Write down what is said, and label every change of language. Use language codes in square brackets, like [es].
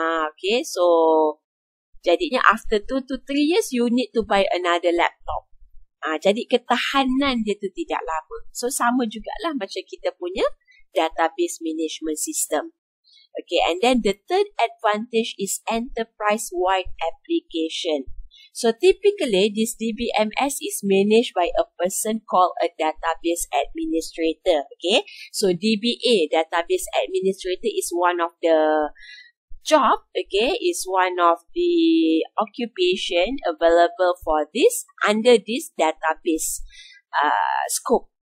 [en] Okay, so jadinya after 2 to 3 years, you need to buy another laptop. [ms] Jadi ketahanan dia tu tidak lama. So sama jugalah macam kita punya database management system. [en] Okay, and then the third advantage is enterprise-wide application. So typically, this DBMS is managed by a person called a database administrator. Okay, so DBA, database administrator, is one of the job, okay, is one of the occupation available for this, under this database scope.